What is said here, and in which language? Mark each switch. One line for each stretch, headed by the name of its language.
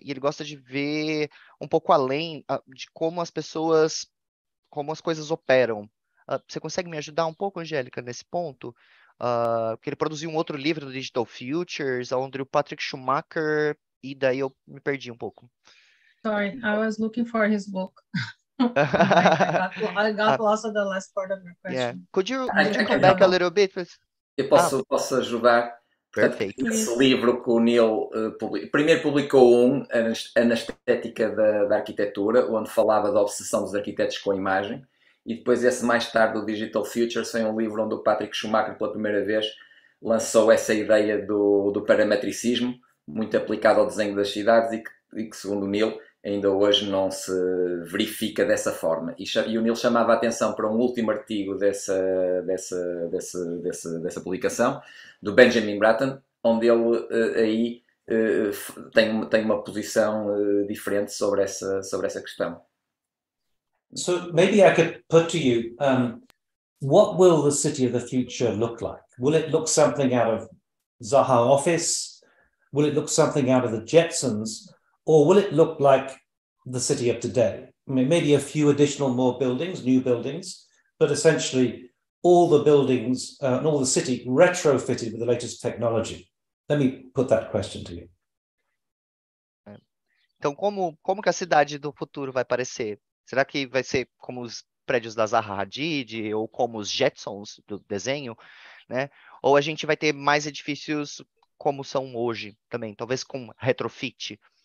Portuguese: E ele gosta de ver um pouco além de como as pessoas, como as coisas operam. Você consegue me ajudar um pouco, Angélica, nesse ponto? Porque ele produziu um outro livro do Digital Futures, onde o Patrick Schumacher, e daí eu me perdi um pouco.
English: Sorry, I was looking for his book. I got lost on the last part of your question. Yeah. Could you come back a little bit?
Portuguese: Eu posso ajudar. Perfeito. Esse livro que o Neil publicou a na estética da arquitetura, onde falava da obsessão dos arquitetos com a imagem, e depois esse mais tarde, o Digital Future, foi um livro onde o Patrick Schumacher, pela primeira vez, lançou essa ideia do parametricismo, muito aplicado ao desenho das cidades e que segundo o Neil, ainda hoje não se verifica dessa forma. E o Neil chamava a atenção para um último artigo dessa publicação, do Benjamin Bratton, onde ele tem uma posição diferente sobre essa questão.
English: So maybe I could put to you, what will the city of the future look like? Will it look something out of Zaha Office? Will it look something out of the Jetsons? Or will it look like the city of today? I mean, maybe a few additional more buildings, new buildings, but essentially all the buildings and all the city retrofitted with the latest technology. Let me put that question to you.
Portuguese: Então, como que a cidade do futuro vai parecer? Será que vai ser como os prédios da Zaha Hadid ou como os Jetsons do desenho, né? Ou a gente vai ter mais edifícios como são hoje também, talvez com retrofit?